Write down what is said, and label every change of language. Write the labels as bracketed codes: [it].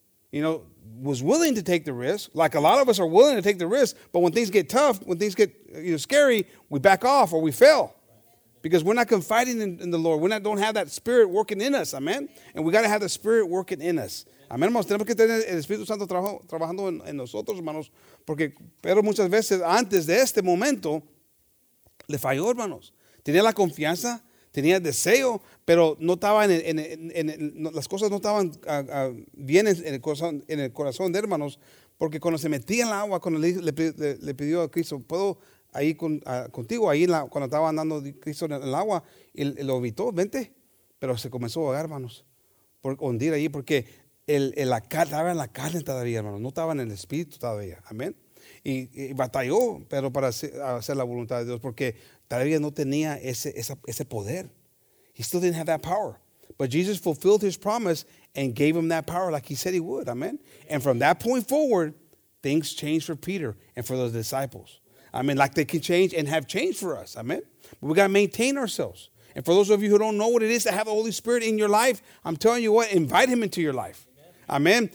[en] You know, was willing to take the risk, like a lot of us are willing to take the risk, but when things get tough, when things get scary, we back off or we fail. Because we're not confiding in the Lord. We don't have that Spirit working in us. Amen. And we got to have the Spirit working in us. [es] Amen, hermanos. Tenemos que tener el Espíritu Santo trabajando en nosotros, hermanos. Porque, pero muchas veces antes de este momento, le falló, hermanos. Tenía la confianza, tenía el deseo, pero no estaba las cosas no estaban bien en el corazón de hermanos. Porque cuando se metía en el agua, cuando le pidió a Cristo, ¿puedo? Ahí contigo, ahí cuando estaba andando Cristo en el agua, y lo evitó, vente, pero se comenzó a ahogar, hermanos, por hundir ahí, porque la carne, estaba en la carne todavía, hermanos, no estaba en el Espíritu todavía, amén. Y batalló, pero para hacer la voluntad de Dios, porque todavía no tenía ese poder. [en] He still didn't have that power. But Jesus fulfilled his promise and gave him that power like he said he would, amén. And from that point forward, things changed for Peter and for those disciples. I mean, like they can change and have changed for us. Amen. But we got to maintain ourselves. And for those of you who don't know what it is to have the Holy Spirit in your life, I'm telling you what, invite him into your life. Amen.